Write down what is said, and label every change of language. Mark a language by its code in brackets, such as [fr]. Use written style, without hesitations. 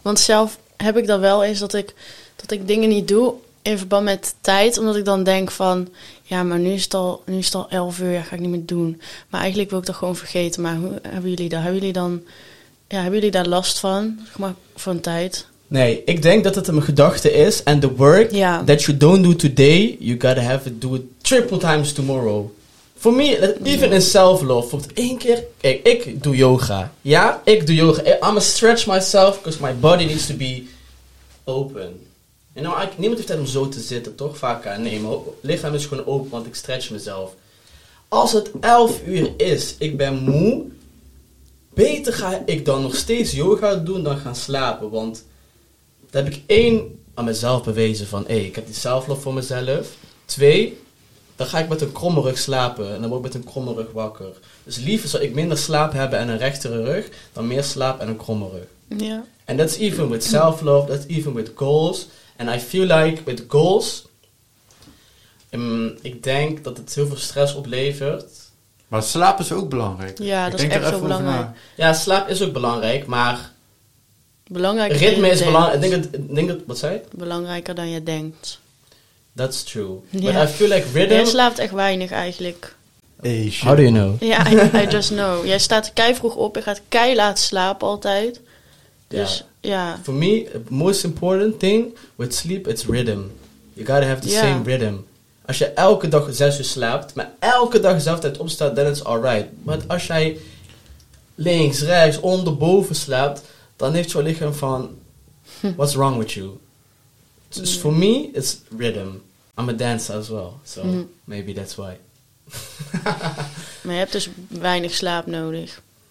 [nl] Want zelf heb ik dat wel eens dat ik dingen niet doe in verband met tijd. Omdat ik dan denk van, ja, maar nu is het al 11 uur, ja, ga ik niet meer doen. Maar eigenlijk wil ik dat gewoon vergeten. Maar hoe hebben jullie dat? Hebben jullie daar last van? Gemak van tijd? Nee, ik denk dat het een gedachte is. [en] And the work that you don't do today, you gotta have it do it triple times tomorrow. For me, even in self-love. [nl] Voor 1 keer, kijk, ik doe yoga. Ja, ik doe yoga. [en] I'm gonna stretch myself because my body needs to be open. You know, [nl] niemand heeft tijd om zo te zitten, toch? Vaak aan nemen. Lichaam is gewoon open, want ik stretch mezelf. Als het 11 uur is, ik ben moe. Beter ga ik dan nog steeds yoga doen dan gaan slapen. Want daar heb ik 1 aan mezelf bewezen van, ik heb die self-love voor mezelf. 2, dan ga ik met een kromme rug slapen. En dan word ik met een kromme rug wakker. Dus liever zou ik minder slaap hebben en een rechtere rug, dan meer slaap en een kromme rug. ja, [en] that's even with self-love, that's even with goals. And I feel like with goals, [nl] ik denk dat het heel veel stress oplevert. Maar slaap is ook belangrijk. Ja, dat is echt zo belangrijk. Ja, slaap is ook belangrijk, maar belangrijk. Ritme is belangrijk. Ik denk dat, wat zei je? Belangrijker dan je denkt. [en] That's true. Yeah. But I feel like rhythm. [nl] Jij slaapt echt weinig eigenlijk. [en] Asian. How do you know? Ja, I just know. [nl] Jij staat kei vroeg op en gaat kei laat slapen altijd. Dus ja. [en] For me, the most important thing with sleep, it's rhythm. You gotta have the same rhythm. [nl] Als je elke dag 6 uur slaapt, maar elke dag dezelfde tijd opstaat, [en] then it's alright. [nl] Maar als jij links, rechts, onder, boven slaapt, dan heeft jouw lichaam van, [en] what's wrong with you? Dus for me, it's rhythm. I'm a dancer as well, so maybe that's why. [nl] Maar je hebt dus weinig slaap nodig.